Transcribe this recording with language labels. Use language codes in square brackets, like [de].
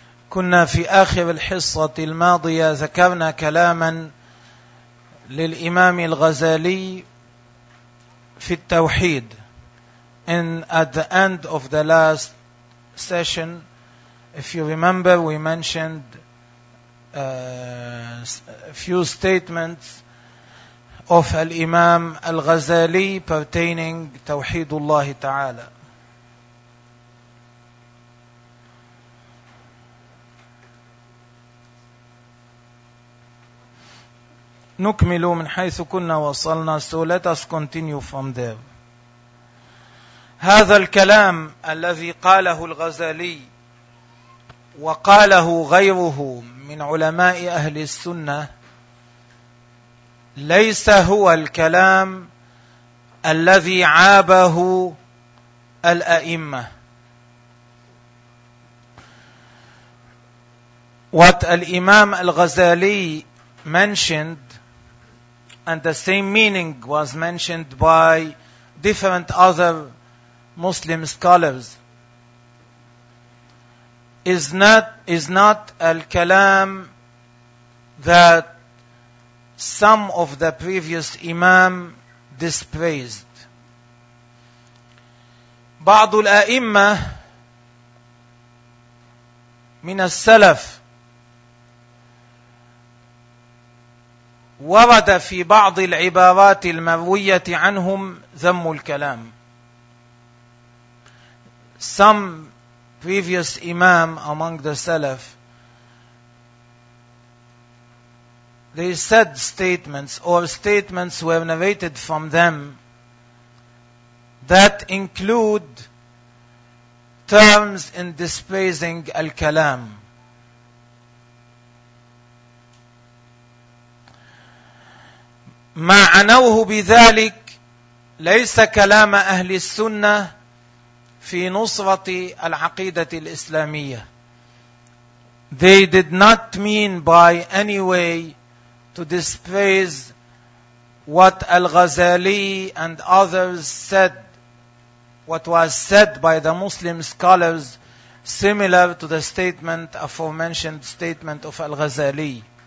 [ar] كنا في آخر الحصة الماضية ذكرنا كلاما للإمام الغزالي في التوحيد. [en] In at the end of the last session, if you remember, we mentioned a few statements of al-Imam al-Ghazali pertaining Tawheedullah Ta'ala. [ar] نكمل من حيث كنا وصلنا. [en] So let us continue from there. [ar] هذا الكلام الذي قاله الغزالي وقاله غيره من علماء أهل السنة ليس هو الكلام الذي عابه الأئمة. [en] What الإمام الغزالي mentioned and the same meaning was mentioned by different other Muslim scholars is not al-kalam that some of the previous imam dispraised. [ar] بعض الأئمة من السلف ورد في بعض العبارات المروية عنهم ذم الكلام. [en] Some previous imam among the Salaf, they said statements or statements were narrated from them that include terms in despising al-kalam. [ar] ما عنوه بذلك ليس كلام أهل السنة في نصرة العقيدة الإسلامية. [en] They did not mean by any way to dispraise what Al-Ghazali and others said, what was said by the Muslim scholars similar to the statement, aforementioned statement of Al-Ghazali.